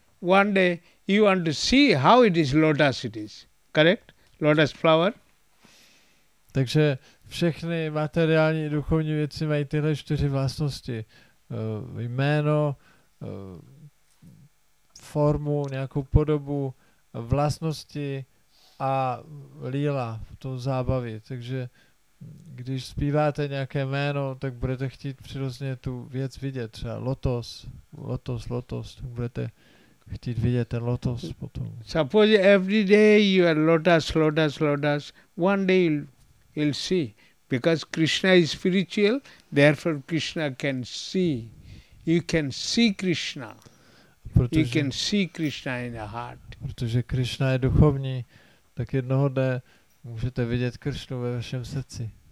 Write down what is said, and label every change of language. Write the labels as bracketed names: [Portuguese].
[English] One day you want to see how it is, lotus it is. Correct? Lotus flower. [Czech] Takže všechny materiální i duchovní věci mají tyhle čtyři vlastnosti. Jméno, formu, nějakou podobu, vlastnosti a líla, to zábavy. Takže když zpíváte nějaké jméno, tak budete chtít přirozeně tu věc vidět, třeba lotos, tak budete chtít vidět ten lotos potom. [English] Suppose every day you are lotus, one day you'll see, because Krishna is spiritual, therefore Krishna can see, you can see Krishna in the heart. [Czech] Protože Krishna je duchovní, tak jednoho dne můžete vidět Krishnu ve vašem srdci.